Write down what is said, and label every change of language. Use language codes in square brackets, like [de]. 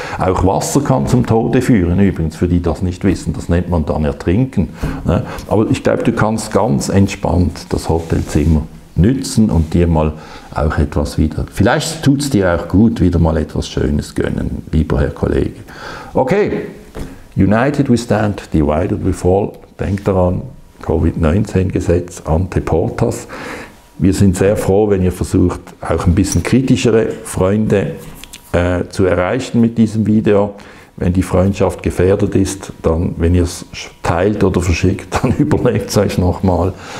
[de] Auch Wasser kann zum Tode führen übrigens, für die das nicht wissen. Das nennt man dann Ertrinken. Aber ich glaube, du kannst ganz entspannt das Hotelzimmer nützen und dir mal auch etwas wieder, vielleicht tut es dir auch gut, wieder mal etwas Schönes gönnen, lieber Herr Kollege. [en] Okay, united we stand, divided we fall. [de] Denk daran, Covid-19-Gesetz, ante portas. Wir sind sehr froh, wenn ihr versucht, auch ein bisschen kritischere Freunde zu erreichen mit diesem Video. Wenn die Freundschaft gefährdet ist, dann, wenn ihr es teilt oder verschickt, dann überlegt es euch nochmal.